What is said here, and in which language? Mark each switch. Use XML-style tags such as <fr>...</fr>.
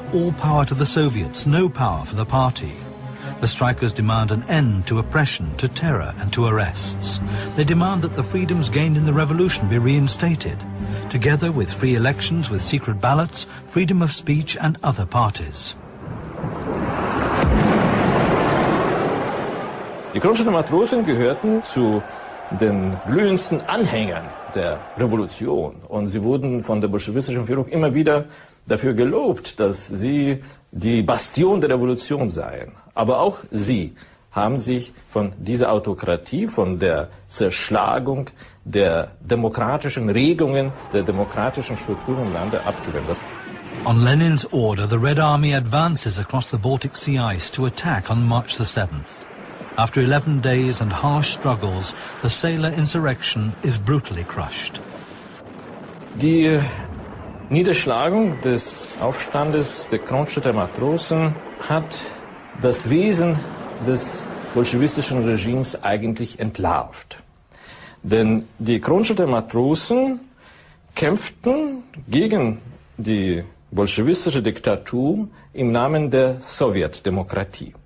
<en>All power to the Soviets, no power for the party. The strikers demand an end to oppression, to terror, and to arrests. They demand that the freedoms gained in the revolution be reinstated, together with free elections, with secret ballots, freedom of speech, and other parties.</en> <de>Die kroatischen Matrosen gehörten zu den glühendsten Anhängern der Revolution und sie wurden von der bolschewistischen Führung immer wieder dafür gelobt, dass sie die Bastion der Revolution seien. Aber auch sie haben sich von dieser Autokratie, von der Zerschlagung der demokratischen Regungen, der demokratischen Strukturen im Lande abgewendet.</de> <en>On Lenin's order, the Red Army advances across the Baltic Sea ice to attack on March the 7th. After 11 days and harsh struggles, the sailor insurrection is brutally crushed.</en> <de>Die Niederschlagung des Aufstandes der Kronstädter Matrosen hat das Wesen des bolschewistischen Regimes eigentlich entlarvt. Denn die Kronstädter Matrosen kämpften gegen die bolschewistische Diktatur im Namen der Sowjetdemokratie.</de>